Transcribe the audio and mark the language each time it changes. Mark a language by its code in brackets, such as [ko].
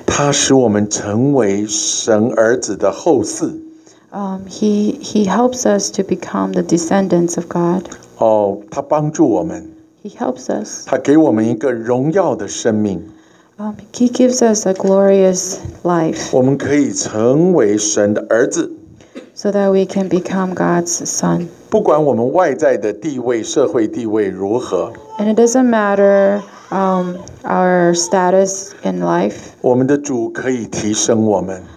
[zh] 他使我们成为神儿子的后嗣。 [en] He helps us to become the descendants of God. [zh] 哦，他帮助我们。 [en] He helps us. [zh] 他给我们一个荣耀的生命。 [en] He gives us a glorious life. [zh] 我们可以成为神的儿子。 [en] So that we can become God's son. [zh] 不管我们外在的地位，社会地位如何。 [en] And it doesn't matter our status in life. [zh] 我们的主可以提升我们。